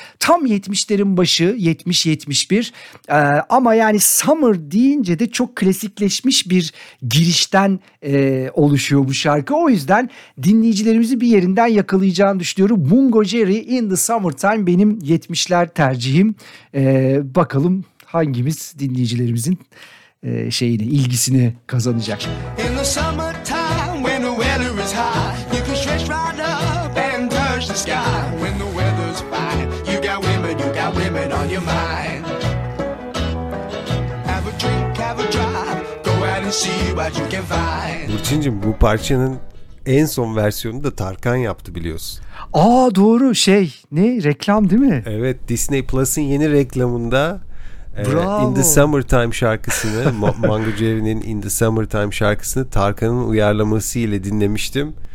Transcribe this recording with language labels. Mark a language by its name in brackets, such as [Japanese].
[Turkish] Tam 70'lerin başı, 70-71. Ama yani Summer deyince de çok klasikleşmiş bir girişten oluşuyor bu şarkı. O yüzden dinleyicilerimizi bir yerinden yakalayacağını düşünüyorum. Mungo Jerry, In the Summertime benim 70'ler tercihim. Bakalım hangimiz dinleyicilerimizin şeyini, ilgisini kazanacak. [English] In the summertime when the weather is high, you can stretch right up and touch the sky. When the weather's fine, you got women on your mind. Have a drink, have a drive, go out and see what you can find. [Turkish] Burçin'cim, bu parçanın en son versiyonu da Tarkan yaptı biliyorsun. Aa doğru, şey ne, reklam değil mi? Evet, Disney Plus'ın yeni reklamında In the Summertime şarkısını Mungo Jerry'nin In the Summertime şarkısını Tarkan'ın uyarlaması ile dinlemiştim.